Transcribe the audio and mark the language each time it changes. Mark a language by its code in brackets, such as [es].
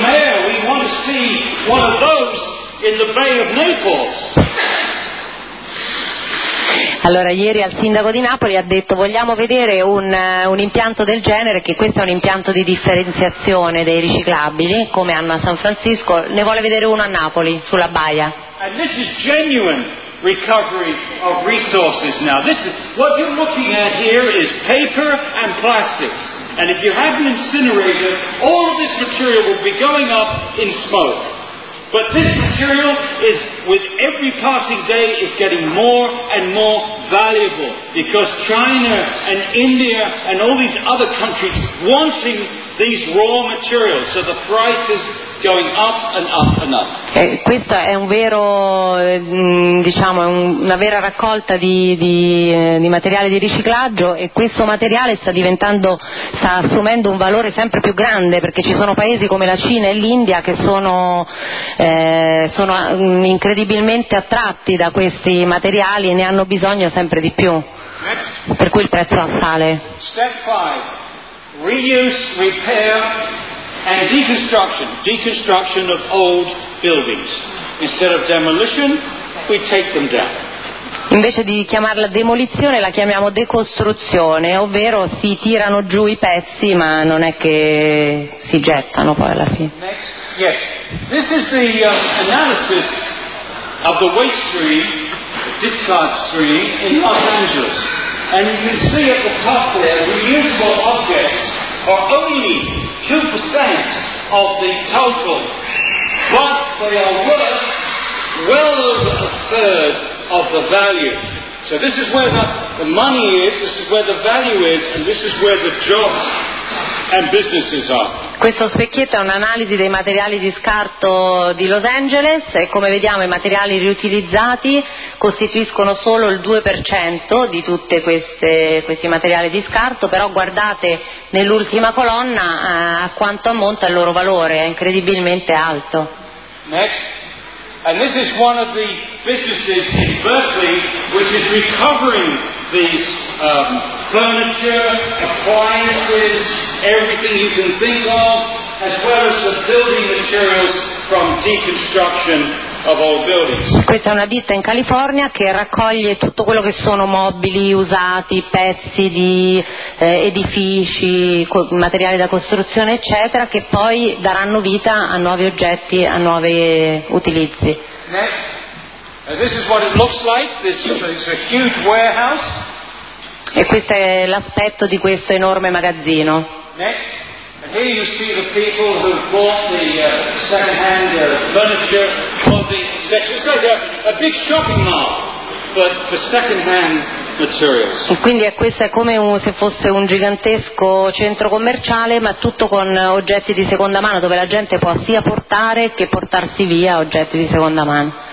[en] Mayor, we want to see one of those in the Bay of Naples. [it] Allora, ieri al sindaco di Napoli ha detto vogliamo vedere un impianto del genere, che questo è un impianto di differenziazione dei riciclabili, come hanno a San Francisco, ne vuole vedere uno a Napoli, sulla Baia. [en] And this is genuine recovery of resources now. This is, what you're looking at here is paper and plastics. And if you have an incinerator, all of this material will be going up in smoke. But this material is, with every passing day, is getting more and more valuable because China and India and all these other countries wanting these raw materials, so the price is going up and up and up. [it] Questa è un vero, diciamo, una vera raccolta di materiale di riciclaggio, e questo materiale sta assumendo un valore sempre più grande, perché ci sono paesi come la Cina e l'India che sono incredibilmente attratti da questi materiali e ne hanno bisogno sempre di più. [en] Next. [it] Per cui il prezzo sale. [en] Step 5. Reuse, repair and deconstruction of old buildings. Instead of demolition, we take them down. [it] Invece di chiamarla demolizione, la chiamiamo decostruzione, ovvero si tirano giù i pezzi, ma non è che si gettano poi alla fine. [en] Yes, this is the analysis of the waste stream, the discard stream in Los Angeles. And you can see at the top there, reusable objects are only 2% of the total, but they are worth well over a third of the value. So this is where the money is, this is where the value is, and this is where the jobs and businesses are. [it] Questo specchietto è un'analisi dei materiali di scarto di Los Angeles e come vediamo i materiali riutilizzati costituiscono solo il 2% di tutte questi materiali di scarto, però guardate nell'ultima colonna a quanto ammonta il loro valore, è incredibilmente alto. [en] Next. And this is one of the businesses in Berkeley which is recovering these furniture, appliances, everything you can think of, as well as the building materials from deconstruction of old buildings. [it] Questa è una ditta in California che raccoglie tutto quello che sono mobili usati, pezzi di edifici, materiali da costruzione, eccetera, che poi daranno vita a nuovi oggetti, a nuovi utilizzi. [en] This is what it looks like. This is a huge warehouse. [it] E questo è l'aspetto di questo enorme magazzino. [en] Next. And here you see the people who bought the second-hand furniture for the section. It's like a big shopping mall, but for second-hand materials. [it] E quindi questo è come se fosse un gigantesco centro commerciale, ma tutto con oggetti di seconda mano, dove la gente può sia portare che portarsi via oggetti di seconda mano.